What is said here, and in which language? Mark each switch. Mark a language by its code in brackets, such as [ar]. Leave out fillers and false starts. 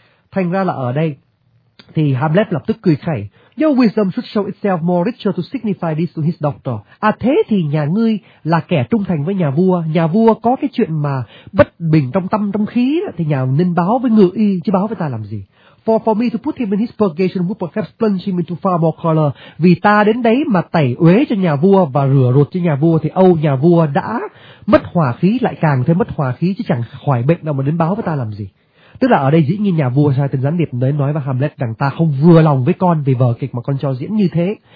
[vi] Thành ra là ở đây thì Hamlet lập tức cười khẩy: [en] your wisdom should show itself more richer to signify this to his doctor. [vi] À thế thì nhà ngươi là kẻ trung thành với nhà vua, nhà vua có cái chuyện mà bất bình trong tâm trong khí thì nhà nên báo với ngự y chứ báo với ta làm gì. [en] For me to put him in his purgation would perhaps plunge him into far more color. [vi] Vì ta đến đấy mà tẩy uế cho nhà vua và rửa ruột cho nhà vua thì âu nhà vua đã mất hòa khí lại càng thêm mất hòa khí, chứ chẳng khỏi bệnh đâu mà đến báo với ta làm gì. Tức là ở đây dĩ nhiên nhà vua sai tên gián điệp đến nói với Hamlet rằng ta không vừa lòng với con vì vở kịch mà con cho diễn như thế.